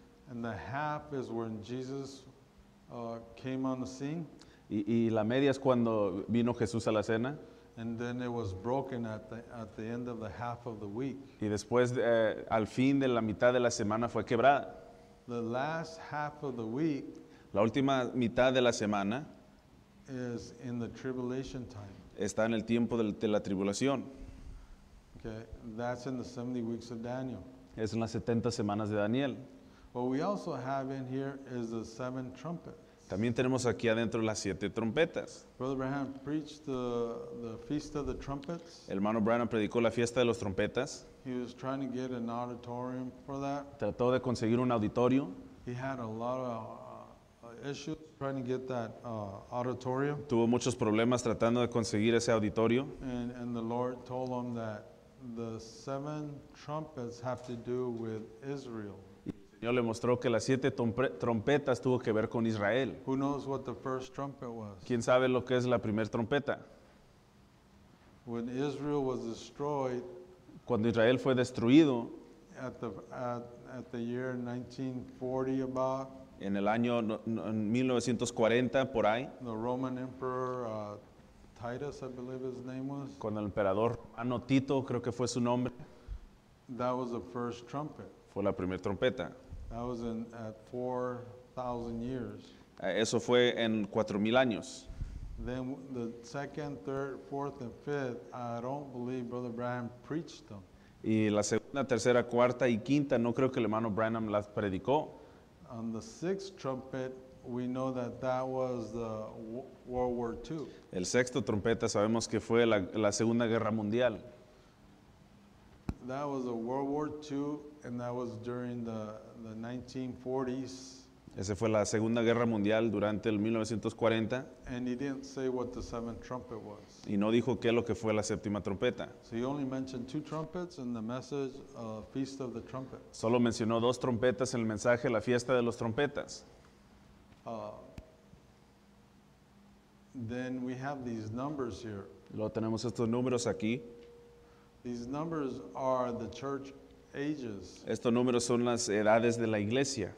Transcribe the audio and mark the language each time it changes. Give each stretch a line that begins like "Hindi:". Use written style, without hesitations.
English: And the half is when Jesus came on the scene.
Spanish: Y la media es cuando vino Jesús a la escena.
English: And then it was broken at the end of the half of the week.
Spanish: Y después, al fin de la mitad de la semana fue quebrada.
English: The last half of the week.
Spanish: La última mitad de la semana
English: is in the tribulation time.
Spanish: Está en el tiempo de la tribulación.
English: Okay, that's in the 70 weeks of Daniel.
Spanish: Es en las 70 semanas de Daniel.
English: What we also have in here is the seven trumpets.
Spanish: También tenemos aquí adentro las siete trompetas.
English: Brother Branham preached the feast of the trumpets.
Spanish: El hermano Branham predicó la fiesta de los trompetas.
English: He was trying to get an auditorium for that.
Spanish: Trató de conseguir un auditorio.
English: He had a lot of issues trying to get that auditorium.
Spanish: Tuvo muchos problemas tratando de conseguir ese auditorio.
English: And the Lord told him that the seven trumpets have to do with Israel.
Spanish: Señor le mostró que las siete trompetas tuvo que ver con Israel.
English: Who knows what the first trumpet was?
Spanish: ¿Quién sabe lo que es la primer trompeta?
English: When Israel was destroyed,
Spanish: cuando Israel fue destruido,
English: at the year 1940 about,
Spanish: en el año 1940 por ahí,
English: the Roman Emperor Titus, I believe his name was,
Spanish: con el emperador romano Tito, creo que fue su nombre,
English: that was the first trumpet.
Spanish: Fue la primer trompeta.
English: That was in at 4,000 years.
Spanish: Eso fue en 4,000 años.
English: Then the second, third, fourth, and fifth, I don't believe Brother Branham preached them.
Spanish: Y la segunda, tercera, cuarta y quinta, no creo que el hermano Branham las predicó.
English: On the sixth trumpet, we know that that was the World War II.
Spanish: El sexto trompeta sabemos que fue la Segunda Guerra Mundial.
English: That was a World War II, and that was during the 1940s.
Spanish: Ese fue la Segunda Guerra Mundial durante el 1940.
English: And he didn't say what the seventh trumpet was.
Spanish: Y no dijo qué es lo que fue la séptima trompeta.
English: So he only mentioned two trumpets in the message, Feast of the Trumpets.
Spanish: Solo mencionó dos trompetas en el mensaje, la fiesta de los trompetas.
English: Then we have these numbers here.
Spanish: Luego tenemos estos números aquí.
English: These numbers are the church ages.
Spanish: Estos números son las edades de la iglesia.